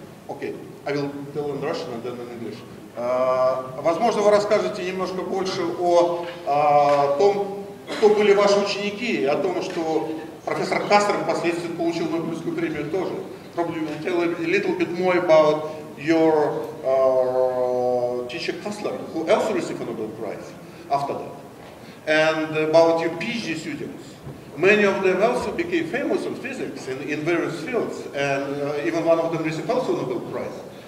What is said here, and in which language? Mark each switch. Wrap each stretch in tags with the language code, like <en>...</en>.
<en>Окей, I will tell in Russian and then in English.</en> <ru>Возможно, вы расскажете немножко больше о том, кто были ваши ученики, и о том, что профессор Кассер впоследствии получил Нобелевскую премию тоже.</ru> <en>Probably you'll tell a little bit more about your teacher Kassler, who also received a Nobel Prize after that. And about your PhD students. many of them also became famous in physics in various fields, and even one of them received also a Nobel Prize.</en>